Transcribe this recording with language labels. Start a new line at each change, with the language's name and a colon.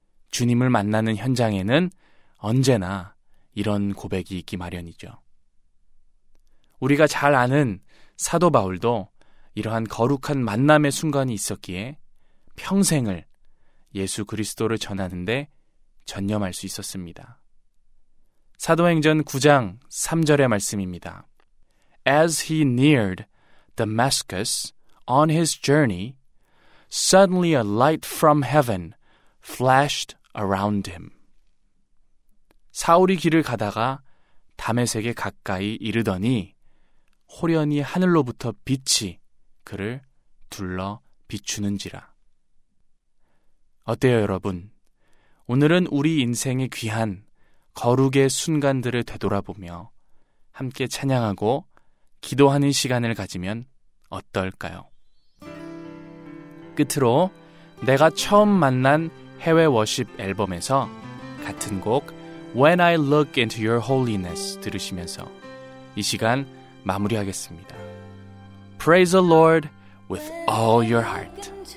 Korean: 주님을 만나는 현장에는 언제나 이런 고백이 있기 마련이죠. 우리가 잘 아는 사도 바울도 이러한 거룩한 만남의 순간이 있었기에 평생을 예수 그리스도를 전하는 데 전념할 수 있었습니다. 사도행전 9장 3절의 말씀입니다.
English: As he neared Damascus on his journey, suddenly a light from heaven flashed around him.
Korean: 사울이 길을 가다가 다메섹에 가까이 이르더니 홀연히 하늘로부터 빛이 그를 둘러 비추는지라. 어때요, 여러분? 오늘은 우리 인생의 귀한 거룩의 순간들을 되돌아보며 함께 찬양하고 기도하는 시간을 가지면 어떨까요? 끝으로 내가 처음 만난 해외 워십 앨범에서 같은 곡 When I Look Into Your Holiness 들으시면서 이 시간 마무리하겠습니다.
English: Praise the Lord with all your heart.